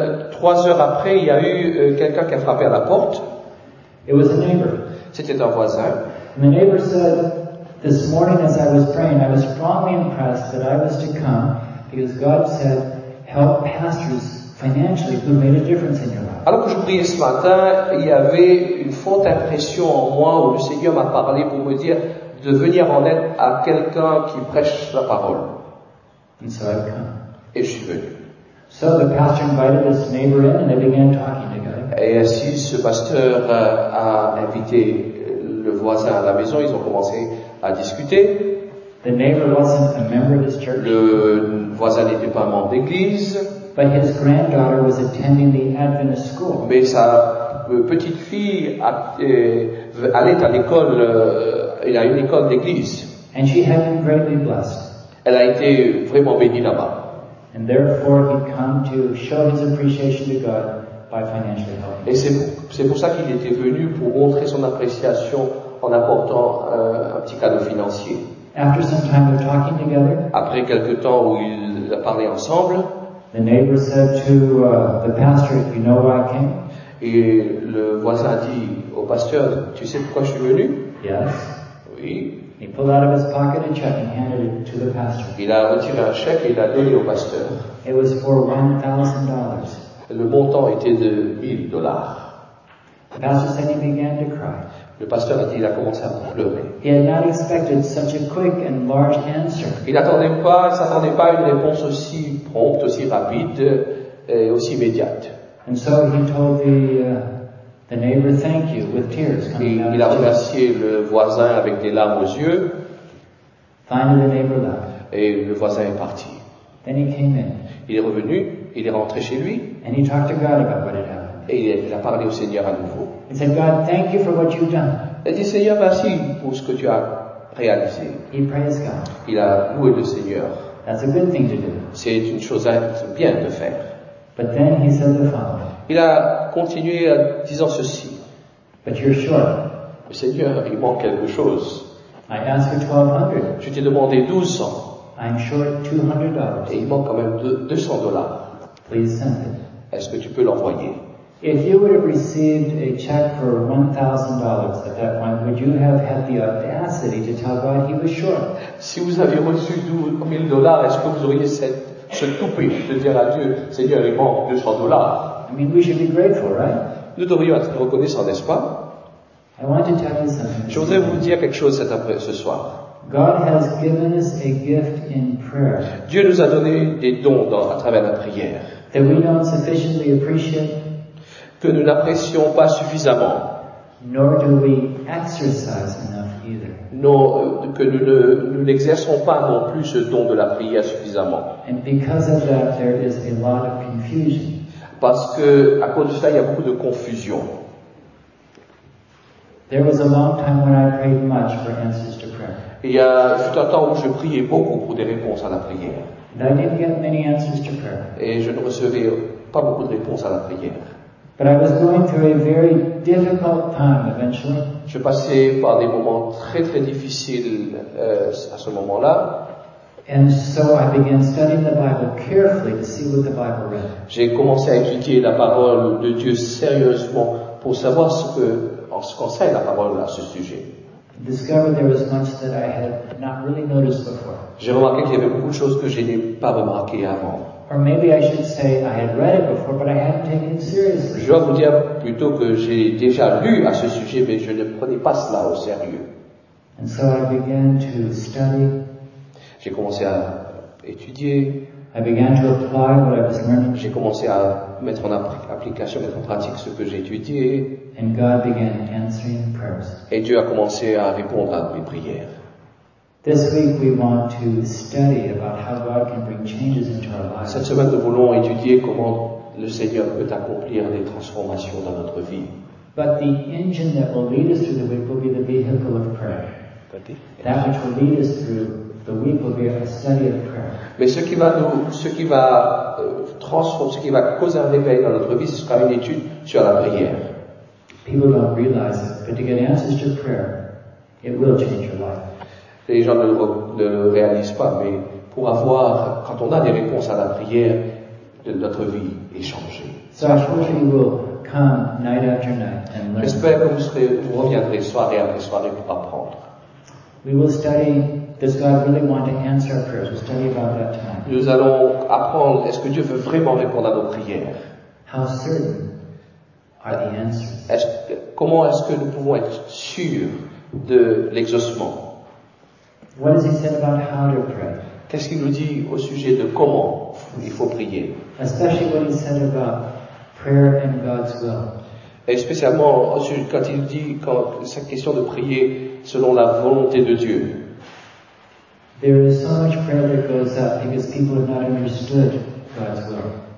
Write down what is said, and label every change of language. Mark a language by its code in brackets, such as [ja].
[fr] Trois heures après, il y a eu quelqu'un qui a frappé à la porte. [en] It was a neighbor. [fr] C'était un voisin. [en] And the neighbor said, this morning as I was praying, I was strongly impressed that I was to come. Because God said, help pastors financially who made a difference in your life. [fr] Alors que je priais ce matin, il y avait une forte impression en moi où le Seigneur m'a parlé pour me dire de venir en aide à quelqu'un qui prêche la parole. [en] And so I've come. [fr] Et je suis venu. [en] So the pastor invited this neighbor in and they began talking together. [fr] Et ainsi, ce pasteur a invité le voisin à la maison. Ils ont commencé à discuter. [en] The neighbor wasn't a member of his church. [fr] Le voisin n'était pas membre d'église. [en] But his granddaughter was attending the Adventist school. [fr] Mais sa petite fille allait à l'école, à une école d'église. [en] And she had been greatly blessed. [fr] Elle a été vraiment bénie là-bas. [en] And therefore, he came to show his appreciation to God by financially helping. [fr] Et c'est pour ça qu'il était venu pour montrer son appréciation en apportant un petit cadeau financier. [en] After some time of talking together, [fr] après quelque temps où ils ont parlé ensemble, [en] the neighbor said to the pastor, "You know why I came?" [fr] Et le voisin dit au pasteur, "Tu sais pourquoi je suis venu?" [en] Yes. [fr] Oui. [en] He pulled out of his pocket a check and handed it to the pastor. [fr] Il a retiré un chèque et il l'a donné au pasteur. [en] It was for $1,000. [fr] Le montant était de $1,000. [en] The pastor said he began to cry. [fr] Le pasteur a dit, il a commencé à pleurer. [en] He had not expected such a quick and large answer. [fr] Il n'attendait pas, il s'attendait pas à une réponse aussi prompte, aussi rapide et aussi immédiate. [en] And so he told the neighbor, thank you, with tears coming out. [fr] Il a remercié le voisin avec des larmes aux yeux. [en] Finally, the neighbor left. [fr] Et le voisin est parti. [en] Then he came in. [fr] Il est revenu, il est rentré chez lui. [en] And he talked to God about what had happened. [fr] Et il a parlé au Seigneur à nouveau. [en] He said, God, thank you for what you've done. [fr] Il a dit, Seigneur, merci pour ce que tu as réalisé. [en] He praised God. [fr] Il a loué le Seigneur. [en] That's a good thing to do. [fr] C'est une chose bien de faire. [en] But then he said the following. [fr] Il a continué en disant ceci. [en] But you're sure. [fr] Le Seigneur, il manque quelque chose. [en] I asked for 1,200. [fr] Je t'ai demandé 1,200. [en] I'm short $200. [fr] Et il manque quand même $200. [en] Please send it. [fr] Est-ce que tu peux l'envoyer? [en] If you would have received a check for $1,000 at that point, would you have had the audacity to tell God he was short? [fr] Si vous aviez reçu $1,000, est-ce que vous auriez ce toupé de dire à Dieu, Seigneur, il manque $200? [en] I mean, we should be grateful, right? [fr] Nous devrions être reconnaissants, n'est-ce pas? [en] I want to tell you something. [fr] Je voudrais vous dire quelque chose cet après ce soir. [en] God has given us a gift in prayer. [fr] Dieu nous a donné des dons à travers la prière. [en] That we don't sufficiently appreciate. [fr] Que nous n'apprécions pas suffisamment. [en] Nor do we exercise enough either. [fr] Non, que nous n'exerçons pas non plus ce don de la prière suffisamment. [en] And because of that, there is a lot of confusion. [fr] Parce que à cause de ça, il y a beaucoup de confusion. [en] There was a long time when I prayed much for answers to prayer. [fr] Il y a tout un temps où je priais beaucoup pour des réponses à la prière. [en] And I didn't get many answers to prayer. [fr] Et je ne recevais pas beaucoup de réponses à la prière. [en] But I was going through a very difficult time eventually. [fr] Je passais par des moments très très difficiles à ce moment-là. [en] And so I began studying the Bible carefully to see what the Bible read. [fr] J'ai commencé à étudier la parole de Dieu sérieusement pour savoir ce qu'enseigne la parole à ce sujet. [en] I discovered there was much that I had not really noticed before. [fr] J'ai remarqué qu'il y avait beaucoup de choses que je n'ai pas remarquées avant. [en] Or maybe I should say I had read it before, but I hadn't taken it seriously. [fr] Je dois vous dire plutôt que j'ai déjà lu à ce sujet, mais je ne prenais pas cela au sérieux. [en] And so I began to study. [fr] J'ai commencé à étudier. [en] I began to apply what I was learning. [fr] J'ai commencé à mettre en application, mettre en pratique ce que j'ai étudié. [en] And God began answering prayers. [fr] Et Dieu a commencé à répondre à mes prières. [en] This week we want to study about how God can bring changes into our lives. [fr] Cette semaine, nous voulons étudier comment le Seigneur peut accomplir des transformations dans notre vie. [en] But the engine that will lead us through the week will be the vehicle of prayer. That which will lead us through the week will be a study of prayer. [fr] Mais ce qui va causer un réveil dans notre vie, ce sera une étude sur la prière. [en] People don't realize it, but to get answers to prayer, it will change your life. [fr] Les gens ne le réalisent pas, mais pour avoir, quand on a des réponses à la prière, notre vie est changée. [en] So I hope you will come night after night and learn. [fr] J'espère que vous reviendrez soirée après soirée pour apprendre. [en] We will study, does God really want to answer our prayers? We'll study about that time. [fr] Nous allons apprendre, est-ce que Dieu veut vraiment répondre à nos prières? [en] How certain are the answers? [fr] Comment est-ce que nous pouvons être sûrs de l'exaucement? [en] What does he say about how to pray? [fr] Qu'est-ce qu'il nous dit au sujet de comment il faut prier? [en] Especially what he said about prayer and God's will. [fr] Et spécialement quand il dit quand cette question de prier selon la volonté de Dieu. [en] There is so much prayer that goes up because people have not understood God's will.